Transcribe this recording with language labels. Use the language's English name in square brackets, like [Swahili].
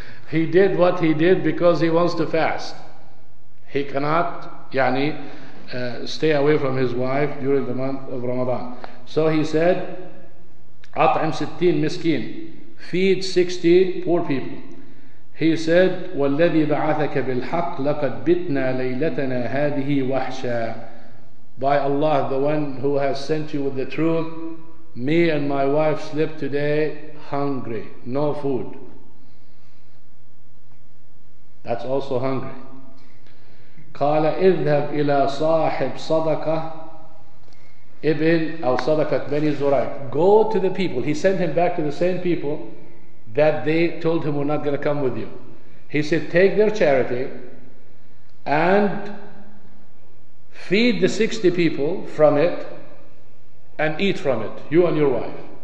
[English] He did what he did because he wants to fast. He cannot stay away from his wife during the month of Ramadan. So he said, At'im 60 miskin, feed 60 poor people. He said, [Arabic] وَالَّذِي بَعَثَكَ بِالْحَقِّ لَقَدْ بِتْنَا لَيْلَتَنَا هَذِهِ وَحْشًا. [English] By Allah, the one who has sent you with the truth, me and my wife slept today hungry, no food. That's also hungry. [Arabic] قال اذهب إلى صاحب صدقة ابن أو صدقة بني زرائق. [English] Go to the people. He sent him back to the same people that they told him were not going to come with you. He said, take their charity and feed the 60 people from it and eat from it, you and your wife.